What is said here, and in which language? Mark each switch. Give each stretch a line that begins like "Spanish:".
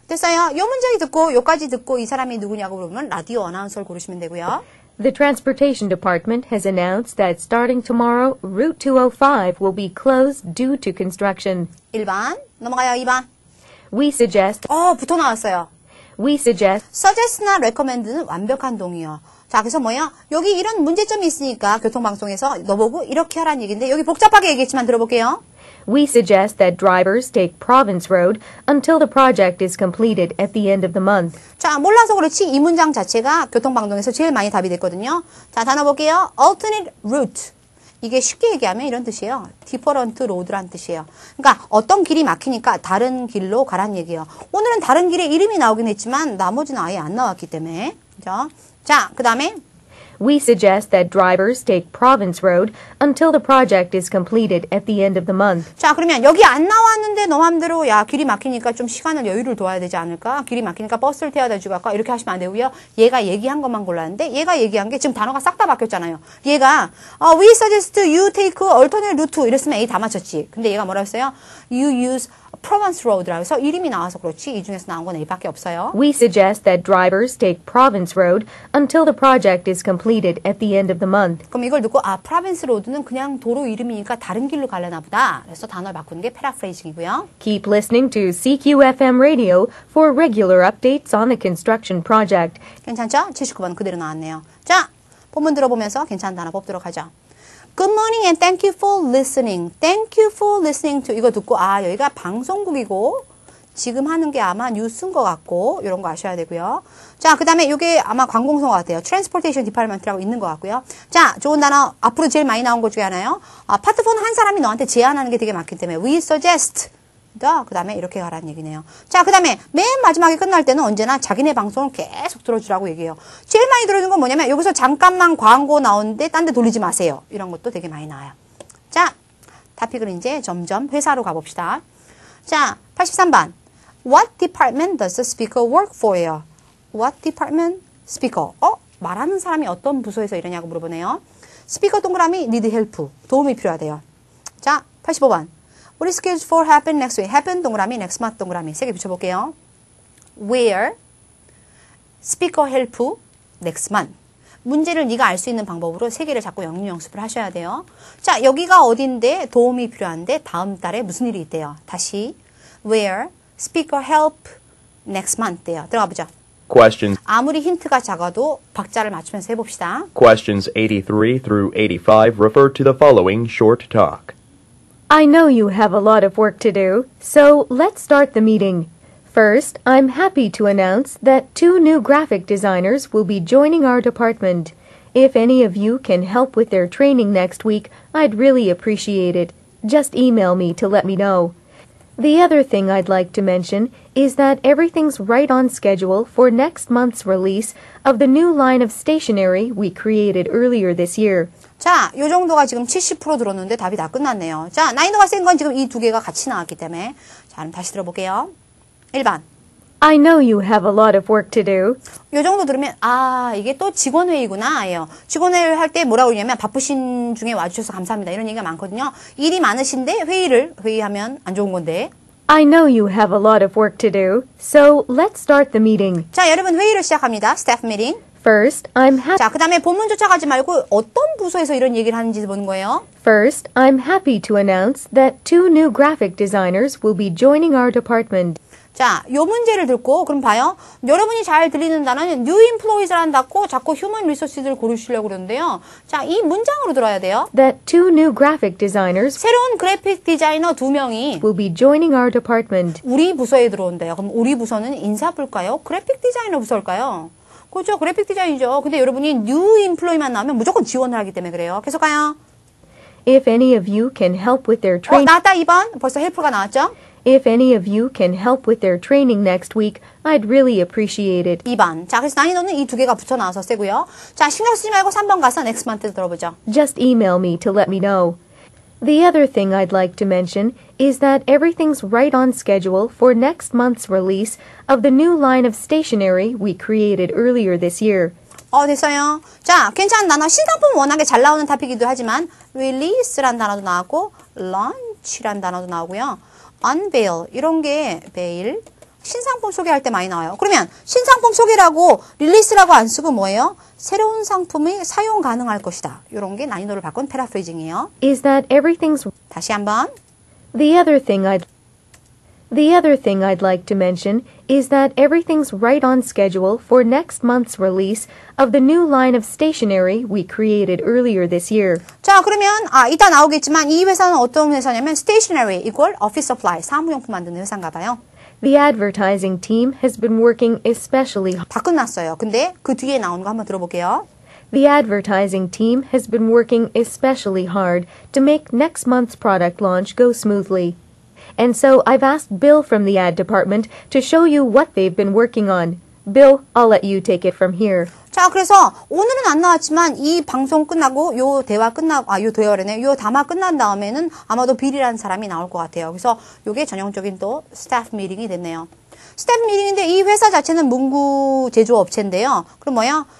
Korean: 됐어요. 요 문장이 듣고 요까지 듣고 이 사람이 누구냐고 그러면 라디오 어나운서를 고르시면 되고요.
English: The Transportation Department has announced that starting tomorrow, Route 205 will be closed due to construction.
Korean: 1번 넘어가요. 2번.
English: We suggest.
Korean: 붙어 나왔어요.
English: We suggest.
Korean: Suggest나 recommend는 완벽한 동의요. 자, 그래서 뭐예요? 여기 이런 문제점이 있으니까 교통방송에서 너보고 이렇게 하라는 얘기인데 여기 복잡하게 얘기했지만 들어볼게요.
English: We suggest that drivers take Province Road until the project is completed at the end of the month.
Korean: 자, 몰라서 그렇지 이 문장 자체가 교통방송에서 제일 많이 답이 됐거든요. 자, 단어 볼게요. Alternate route. 이게 쉽게 얘기하면 이런 뜻이에요. Different road란 뜻이에요. 그러니까 어떤 길이 막히니까 다른 길로 가란 얘기예요. 오늘은 다른 길의 이름이 나오긴 했지만 나머지는 아예 안 나왔기 때문에. 그죠? 자, 그 다음에
English: We suggest that drivers take Province Road until the project is completed at the end of the month.
Korean: 자, 그러면 여기 안 나왔는데 너 마음대로 야 길이 막히니까 좀 시간을 여유를 둬야 되지 않을까? 길이 막히니까 버스를 태워다 주고 갈까? 이렇게 하시면 안 되고요. 얘가 얘기한 것만 골랐는데 얘가 얘기한 게 지금 단어가 싹 다 바뀌었잖아요. 얘가
English: We suggest you take alternate route
Korean: 이랬으면 A 다 맞췄지. 근데 얘가 뭐라고 했어요?
English: You use Province Road
Korean: 라고 해서 이름이 나와서 그렇지 이 중에서 나온 건 A밖에 없어요.
English: We suggest that drivers take Province Road until the project is completed at the end of the month.
Korean: 그럼 이걸 듣고 아 Province Road는 그냥 도로 이름이니까 다른 길로 가려나 보다. 그래서 단어를 바꾸는 게 paraphrasing이고요.
English: Keep listening to CQFM Radio for regular updates on the construction project.
Korean: 괜찮죠? 79번 그대로 나왔네요. 자, 본문 들어보면서 괜찮은 단어 뽑도록 하죠.
English: Good morning and thank you for listening. Thank you for listening to
Korean: 이거 듣고 아 여기가 방송국이고 지금 하는 게 아마 뉴스인 것 같고 이런 거 아셔야 되고요. 자, 그 다음에 이게 아마 관공서 같아요. Transportation Department라고 있는 것 같고요. 자, 좋은 단어 앞으로 제일 많이 나온 것 중에 하나요. 아, 파트폰 한 사람이 너한테 제안하는 게 되게 많기 때문에 We suggest 그 다음에 이렇게 가라는 얘기네요. 자, 그 다음에 맨 마지막에 끝날 때는 언제나 자기네 방송을 계속 들어주라고 얘기해요. 제일 많이 들어주는 건 뭐냐면 여기서 잠깐만 광고 나오는데 딴 데 돌리지 마세요. 이런 것도 되게 많이 나와요. 자, 토픽을 이제 점점 회사로 가봅시다. 자, 83번.
English: What department does the speaker work for요? What department speaker?
Korean: 말하는 사람이 어떤 부서에서 이러냐고 물어보네요.
English: Speaker
Korean: 동그라미
English: need help.
Korean: 도움이 필요하대요. 자, 85번.
English: What is scheduled for happen next week? Happen
Korean: 동그라미,
English: next month 동그라미.
Korean: 세 개 붙여볼게요.
English: Where, speaker help, next month.
Korean: 문제를 네가 알 수 있는 방법으로 세 개를 자꾸 영리연습을 하셔야 돼요. 자, 여기가 어딘데 도움이 필요한데 다음 달에 무슨 일이 있대요. 다시,
English: where, speaker help, next month 돼요.
Korean: 들어가 보죠.
English: Questions.
Korean: 아무리 힌트가 작아도 박자를 맞추면서 해봅시다.
English: Questions 83 through 85 refer to the following short talk. I know you have a lot of work to do, so let's start the meeting. First, I'm happy to announce that two new graphic designers will be joining our department. If any of you can help with their training next week, I'd really appreciate it. Just email me to let me know. The other thing I'd like to mention is that everything's right on schedule for next month's release of the new line of stationery we created earlier this year.
Korean: 자, 요 정도가 지금 70% 들었는데 답이 다 끝났네요. 자, 난이도가 센 건 지금 이 두 개가 같이 나왔기 때문에. 자, 그럼 다시 들어볼게요. 1번.
English: I know you have a lot of work to do.
Korean: 요 정도 들으면 아 이게 또 직원 회의구나 예요. 직원 회의 할 때 뭐라고 하냐면 바쁘신 중에 와주셔서 감사합니다 이런 얘기가 많거든요. 일이 많으신데 회의하면 안 좋은 건데.
English: I know you have a lot of work to do, so let's start the meeting.
Korean: 자 여러분 회의를 시작합니다.
English: Staff meeting. First, I'm happy.
Korean: 자 그다음에 본문 쫓아가지 말고 어떤 부서에서 이런 얘기를 하는지 보는 거예요.
English: First, I'm happy to announce that two new graphic designers will be joining our department.
Korean: 자, 요 문제를 듣고 그럼 봐요. 여러분이 잘 들리는 단어는 new employees라는 단어고 자꾸 human resources를 고르시려고 그러는데요. 자, 이 문장으로 들어야 돼요.
English: That two new graphic designers
Korean: 새로운 그래픽 디자이너 두 명이
English: will be joining our department.
Korean: 우리 부서에 들어온대요. 그럼 우리 부서는 인사부일까요? 그래픽 디자이너 부서일까요? 그렇죠. 그래픽 디자이너죠. 근데 여러분이 new employee만 나오면 무조건 지원을 하기 때문에 그래요. 계속 가요.
English: If any of you can help with their training.
Korean: 어, 나왔다 2번. 벌써 helpful가 나왔죠?
English: If any of you can help with their training next week, I'd really appreciate it.
Korean: 2번. 자, 그래서 난이도는 이 두 개가 붙어 나와서 쓰고요. 자, 신경 쓰지 말고 3번 가서 next month에 들어보죠.
English: Just email me to let me know. The other thing I'd like to mention is that everything's right on schedule for next month's release of the new line of stationery we created earlier this year.
Korean: 어, 됐어요. 자, 괜찮은 단어. 신상품 워낙에 잘 나오는 탑이기도 하지만 release라는 단어도 나오고 launch라는 단어도 나오고요. Unveil 이런 게 베일 신상품 소개할 때 많이 나와요. 그러면 신상품 소개라고 릴리스라고 안 쓰고 뭐예요? 새로운 상품이 사용 가능할 것이다. 이런 게 난이도를 바꾼 패러프레이징이에요.
English: Is that everything's
Korean: 다시 한번
English: The other thing I'd like to mention is that everything's right on schedule for next month's release of the new line of stationery we created earlier this year.
Korean: 자, 그러면 아, 이따 나오겠지만 이 회사는 어떤 회사냐면 stationery equal office supply 사무용품 만드는 회사인가 봐요.
English: The advertising team has been working especially
Korean: hard. 다 끝났어요. 근데 그 뒤에 나온 거 한번 들어볼게요.
English: The advertising team has been working especially hard to make next month's product launch go smoothly. And so I've asked Bill from the ad department to show you what they've been working on. Bill, I'll let you take it from here.
Korean: 자, 그래서 오늘은 안 나왔지만 이 방송 끝나고 요 대화 끝나고 아, 요 대화라네. 요 담화 끝난 다음에는 아마도 빌이라는 사람이 나올 것 같아요. 그래서 요게 전형적인 또 스태프 미팅이 됐네요. 스태프 미팅인데 이 회사 자체는 문구 제조 업체인데요. 그럼 뭐야?